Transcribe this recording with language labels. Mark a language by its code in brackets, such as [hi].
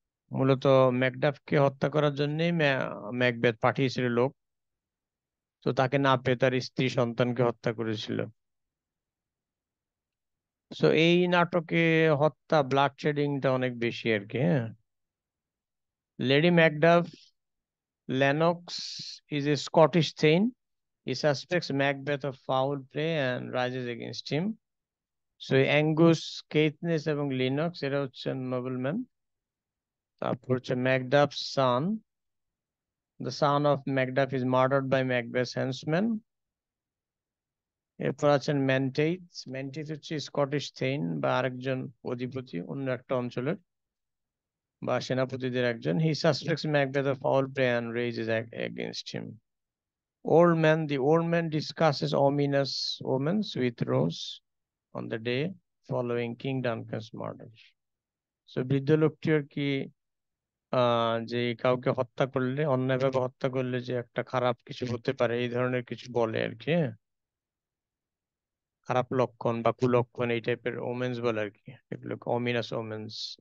[bn] মূলত ম্যাকডাফকে হত্যা করার জন্যই ম্যাকবেথ পাঠিয়েছিল লোক, তো তাকে না পেয়ে তার স্ত্রী সন্তানকে হত্যা করেছিল। সো এই নাটকে হত্যা, ব্লাড শেডিংটা অনেক বেশি আর কি। [en] হ্যাঁ, Lady Macduff Lennox is a Scottish thane. He suspects Macbeth of foul play and rises against him. [bn] So Angus, Caithness এবং Lennox এরা হচ্ছেন নোবেলম্যান। তারপর হচ্ছে [en] Macduff's son, the son of Macduff is murdered by Macbeth henchman. [bn] এরপর আছেন ম্যান্টেইথ, ম্যান্টেইথ হচ্ছে স্কটিশ থেইন বা আরেকজন অধিপতি, অন্য একটা অঞ্চলের বা সেনাপতিদের একজন। [en] He suspects Macbeth of foul play and rages against him. Old man, the old man discusses ominous omens with Rose on the day following King Duncan's murder. [bn] So, বৃদ্ধ লোকটি আর কি, যে কাউকে হত্যা করলে, অন্যায়ভাবে হত্যা করলে যে একটা খারাপ কিছু হতে পারে, এই ধরনের কিছু বলে আর কি, খারাপ লক্ষণ বা কুলক্ষণ এই টাইপের ওমেন্স বলে আর কি, এগুলোকে ominous omens।